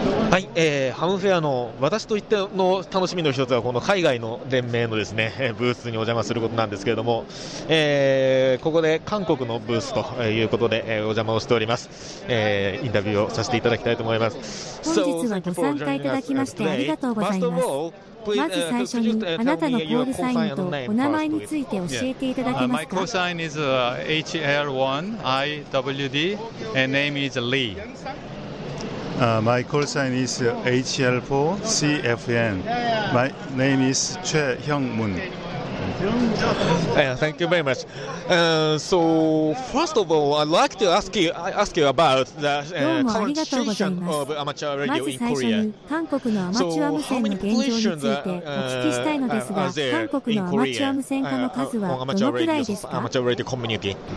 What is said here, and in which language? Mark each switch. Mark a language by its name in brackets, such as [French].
[Japanese] はい、ハムフェアの私といっての楽しみの一つはこの海外の連盟のですね、ブースにお邪魔することなんですけれども、ここで韓国のブースということで、お邪魔をしております。インタビューをさせていただきたいと思います。本日はご参加いただきましてありがとうございます。まず最初にあなたのコールサインとお名前について教えていただけますか。 [English] My call sign is HL1IWD and name is Lee. My call sign is HL4CFN. My name is Choi Hyung Moon. Thank you very much. So first of all, I'd like to ask you about the transition of amateur radio in Korea. [Japanese] まず最初に韓国のアマチュア無線の現状についてお聞きしたいのですが、韓国のアマチュア無線化の数はどのくらいですか。アマチュアラジオコミュニティ。